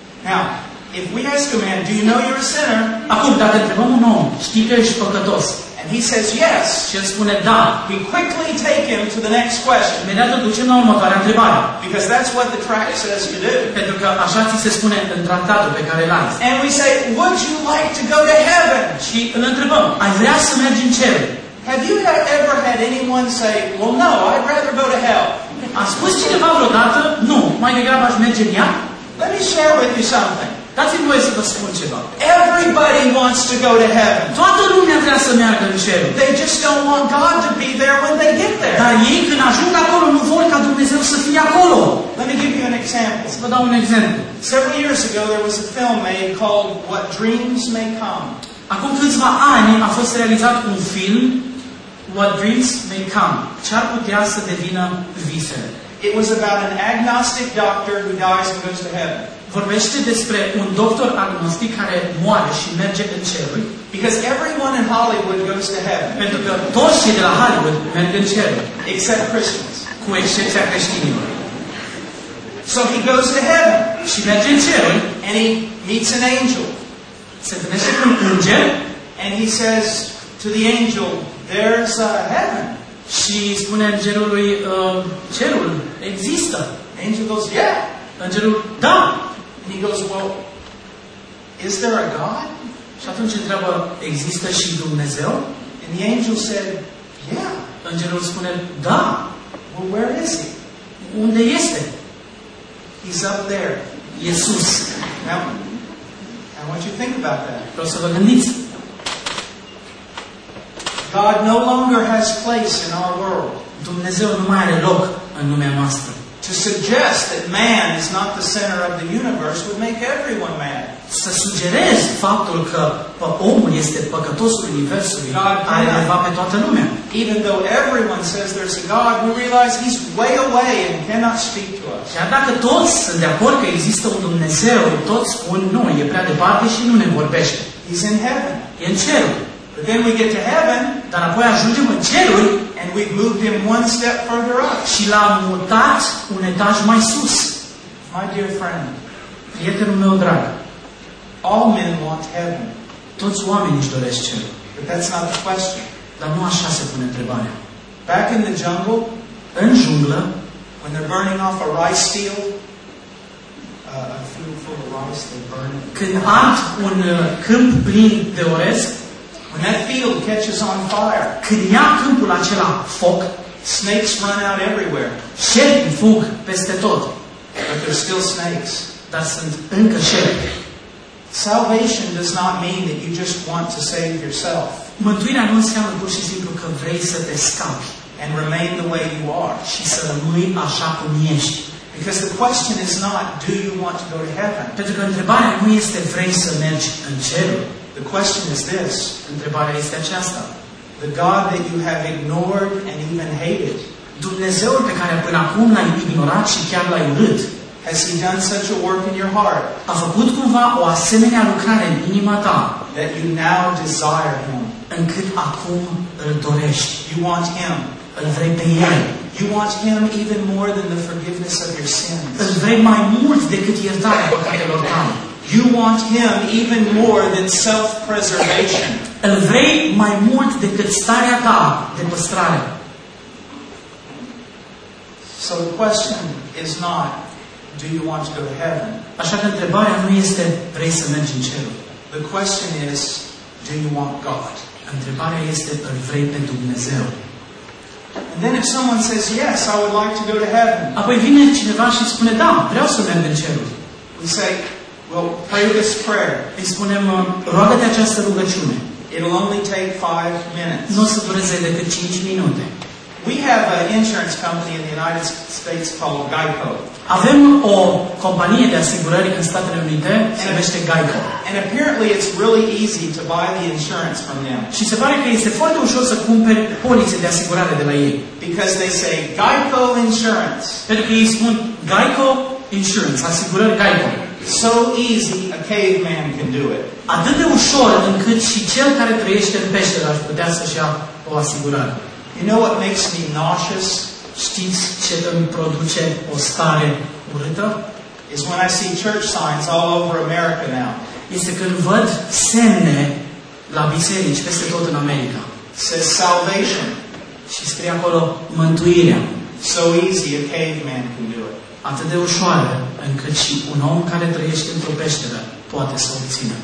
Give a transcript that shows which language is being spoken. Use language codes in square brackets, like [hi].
[en] Now, if we ask a man, do you know you're a sinner? [ro] Acum, dacă întrebăm un om, știi că ești păcătos? [en] And he says yes. [ro] Și spune da. [en] We quickly take him to the next question. [ro] Imediat îl ducem la următoarea întrebare. [en] Because that's what the tract says to do. [ro] Pentru că așa ți se spune în tractatul pe care l-ai. [en] And we say, would you like to go to heaven? [ro] Și îl întrebăm, ai vrea să mergi în cer? [en] Have you ever had anyone say, well, no, I'd rather go to hell? [ro] A spus cineva vreodată, nu, mai degrabă aș merge în iad? [en] Let me share with you something. [ro] Dați-mi voie să vă spun ceva. [en] Everybody wants to go to heaven. [ro] Toată lumea vrea să meargă în cer. [en] They just don't want God to be there when they get there. [ro] Dar ei când ajung acolo nu vor ca Dumnezeu să fie acolo. [en] Let me give you an example. [ro] Să vă dau un exemplu. [en] Several years ago there was a film made called What Dreams May Come. [ro] Acum câțiva ani a fost realizat un film What Dreams May Come. Ce ar putea să devină visele. [en] It was about an agnostic doctor who dies and goes to heaven. [ro] Vorbește despre un doctor agnostic care moare și merge în cer. [en] Because everyone in Hollywood goes to heaven. [ro] Pentru că toți cei de la Hollywood merg în cer. [en] Except Christians. [ro] Cu excepția creștinilor. [en] So he goes to heaven. [ro] Și merge în cer. [en] And he meets an angel. [ro] Se întâlnește cu un înger. [en] And he says to the angel, there's a heaven. [ro] Și spune îngerului, cerul există. [en] Angel goes, yeah. [ro] Îngerul, da. [en] And he goes, well, is there a God? [ro] Și atunci întreabă, există și Dumnezeu? [en] And the angel said, yeah. [ro] Îngerul spune, da. [en] Well, where is he? [ro] Unde este? [en] He's up there. [ro] Iisus. [en] Now, I want you to think about that. [ro] Vreau să vă gândiți. [en] God no longer has place in our world. [ro] Dumnezeu nu mai are loc în lumea noastră. [en] To suggest that man is not the center of the universe would make everyone mad. [ro] Să sugerez faptul că omul este păcătosul universului ar eleva pe toată lumea. [en] Even though everyone says there's a God, we realize he's way away and cannot speak to us. [ro] Chiar dacă toți sunt de acord că există un Dumnezeu, toți spun nu, e prea departe și nu ne vorbește. [en] He's in heaven. [ro] E în cer. [en] But then we get to heaven, [ro] dar apoi ajungem în ceruri, [en] and we've moved him one step further up. [ro] Și l-am mutat un etaj mai sus. [en] My dear friend, [ro] prietenul meu drag, [en] all men want heaven. [ro] Toți oamenii își doresc cerul. [en] But that's not the question. [ro] Dar nu așa se pune întrebarea. [en] Back in the jungle, [ro] în junglă, [en] when they're burning off a rice field, a field full of rice, they burn it. [ro] Când ard un câmp plin de orez, [en] when that field catches on fire, [ro] când ia câmpul acela foc, [en] snakes run out everywhere. [ro] Șerpi fug peste tot. [en] But there's still snakes. [ro] Dar sunt încă șerpi. [en] Salvation does not mean that you just want to save yourself. [ro] Mântuirea nu înseamnă pur și simplu că vrei să te scapi. [en] And remain the way you are. [ro] Și să rămâi așa cum ești. [en] Because the question is not, do you want to go to heaven? [ro] Pentru că întrebarea nu este, vrei să mergi în cer? [en] The question is this. [ro] Întrebarea este aceasta. [en] The God that you have ignored and even hated. [ro] Dumnezeul pe care până acum l-ai ignorat și chiar l-ai urât. [en] Has he done such a work in your heart? [ro] A făcut cumva o asemenea lucrare în inima ta? [en] That you now desire him. [ro] Încât acum îl dorești. [en] You want him. [ro] Îl vrei pe el. [en] You want him even more than the forgiveness of your sins. [ro] Îl vrei mai mult decât iertarea păcatelor tale. [en] You want him even more than self-preservation. [ro] Îl vrei mai mult decât starea ta de păstrare. [en] So the question is not, do you want to go to heaven? [ro] Așa că întrebarea nu este, vrei să mergi în cer? [en] The question is, do you want God? [ro] Întrebarea este, îl vrei pe Dumnezeu? [en] And then if someone says, yes, I would like to go to heaven. [ro] Apoi vine cineva și spune, da, vreau să merg în cer. [en] We say, well, pray this prayer. [ro] Îi spunem, roagă-te această rugăciune. [en] It'll only take 5 minutes. [ro] Nu o să dureze decât 5 minute. [en] We have an insurance company in the United States called Geico. [ro] Avem o companie de asigurări în Statele Unite, se numește Geico. [en] And apparently it's really easy to buy the insurance from them. [ro] Și se pare că este foarte ușor să cumperi polițe de asigurare de la ei. [en] Because they say Geico insurance. [ro] Pentru că ei spun [en] Geico insurance, [ro] asigurări Geico. [en] So easy a caveman can do it. [ro] Atât de ușor încât și cel care trăiește în peșteră ar putea să-și ia o asigurare. [en] You know what makes me nauseous? [ro] Știți ce îmi produce o stare urâtă? [en] Is when I see church signs all over America now. [ro] Este când văd semne la biserici peste tot în America. [en] Says salvation. [ro] Și scrie acolo mântuirea. [en] So easy a caveman can do it. [ro] Atât de ușoară încât și un om care trăiește într-o peșteră poate să obțină.